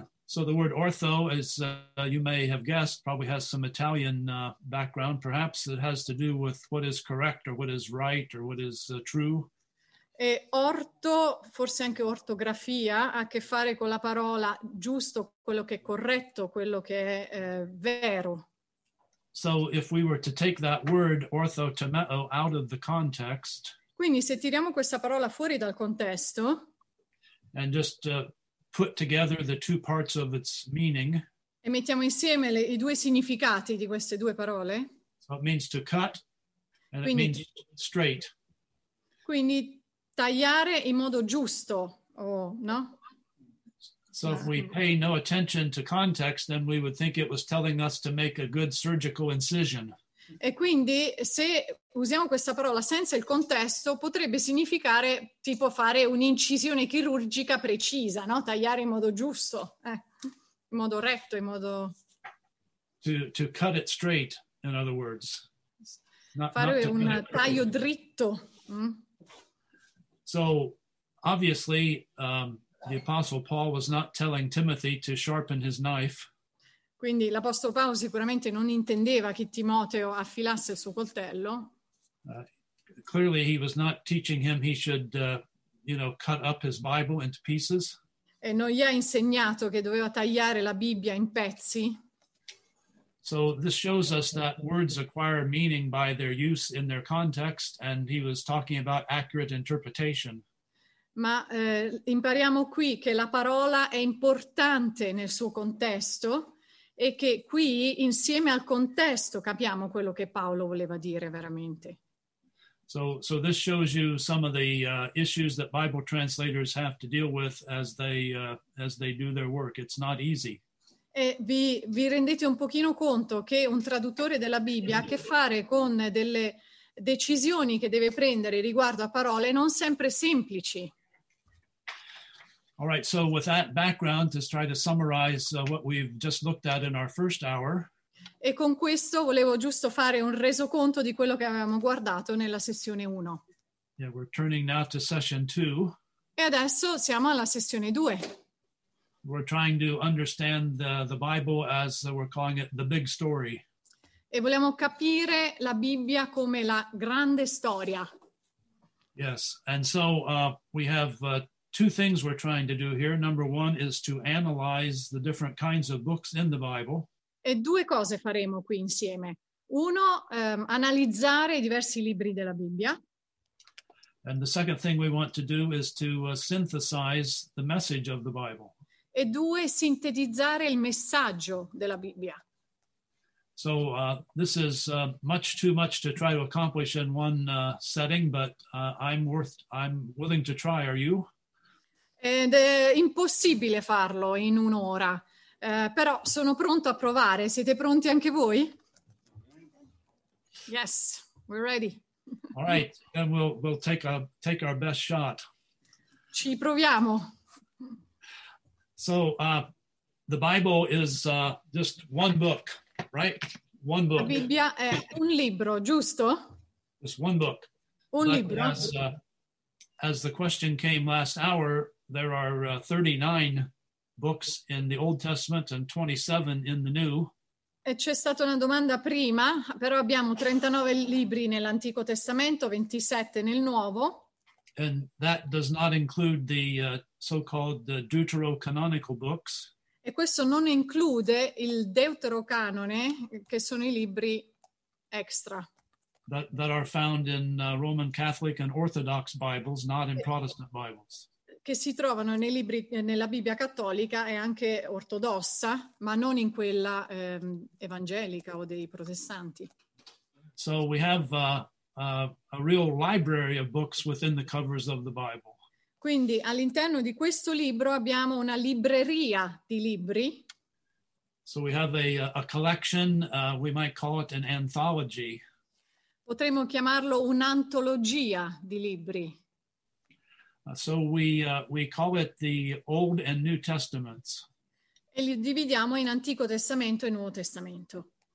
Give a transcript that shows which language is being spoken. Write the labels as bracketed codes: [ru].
[en] So the word ortho, as you may have guessed, probably has some Italian background. Perhaps it has to do with what is correct or what is right or what is true. [it] E orto, forse anche ortografia, ha a che fare con la parola giusto, quello che è corretto, quello che è vero. [en] So if we were to take that word orthotomeo out of the context, [it] quindi se tiriamo questa parola fuori dal contesto, [en] and just put together the two parts of its meaning, [it] e mettiamo insieme i due significati di queste due parole. [en] So it means to cut, and quindi, it means straight. [it] Quindi tagliare in modo giusto, no? [en] So if we pay no attention to context, then we would think it was telling us to make a good surgical incision. [it] E quindi se usiamo questa parola senza il contesto, potrebbe significare tipo fare un'incisione chirurgica precisa, no? Tagliare in modo giusto, in modo retto, in modo... [en] To cut it straight, in other words. [it] Taglio dritto. [en] So, obviously, the Apostle Paul was not telling Timothy to sharpen his knife. [it] Quindi l'Apostolo Paolo sicuramente non intendeva che Timoteo affilasse il suo coltello. [en] Clearly he was not teaching him he should, cut up his Bible into pieces. [it] E non gli ha insegnato che doveva tagliare la Bibbia in pezzi. [en] So this shows us that words acquire meaning by their use in their context, and he was talking about accurate interpretation. [it] Ma impariamo qui che la parola è importante nel suo contesto e che qui insieme al contesto capiamo quello che Paolo voleva dire veramente. [en] So this shows you some of the issues that Bible translators have to deal with as they do their work. It's not easy. [it] E vi rendete un pochino conto che un traduttore della Bibbia ha a che fare con delle decisioni che deve prendere riguardo a parole non sempre semplici. [en] All right, so with that background, let's try to summarize what we've just looked at in our first hour. [it] E con questo volevo giusto fare un resoconto di quello che avevamo guardato nella sessione 1. [en] Yeah, we're turning now to session 2. [it] E adesso siamo alla sessione 2. [en] We're trying to understand the Bible as we're calling it the big story. [it] E vogliamo capire la Bibbia come la grande storia. [en] Yes, and so we have two things we're trying to do here. Number one is to analyze the different kinds of books in the Bible. [it] E due cose faremo qui insieme. Uno, analizzare i diversi libri della Bibbia. [en] And the second thing we want to do is to synthesize the message of the Bible. [it] E due, sintetizzare il messaggio della Bibbia. [en] So this is much too much to try to accomplish in one setting, but I'm willing to try. Are you? [it] Ed è impossibile farlo in un'ora, però sono pronto a provare. Siete pronti anche voi? [en] Yes, we're ready. All right, then we'll take our best shot. [it] Ci proviamo. [en] So, the Bible is just one book, right? One book. [it] La Bibbia è un libro, giusto? [en] Just one book. [it] Un libro. [en] As the question came last hour, there are 39 books in the Old Testament and 27 in the New. [it] E c'è stata una domanda prima, però abbiamo 39 libri nell'Antico Testamento, 27 nel Nuovo. [en] And that does not include the so-called deuterocanonical books. [it] E questo non include il deuterocanone, che sono i libri extra. [en] That are found in Roman Catholic and Orthodox Bibles, not in Protestant Bibles. [it] Che si trovano nei libri nella Bibbia cattolica e anche ortodossa, ma non in quella evangelica o dei protestanti. [en] So we have a real library of books within the covers of the Bible. [it] Quindi all'interno di questo libro abbiamo una libreria di libri. [en] So we have a collection, we might call it an anthology. [it] Potremmo chiamarlo un'antologia di libri. [en] So we call it the Old and New Testaments. [it] E li dividiamo in Antico Testamento e Nuovo Testamento.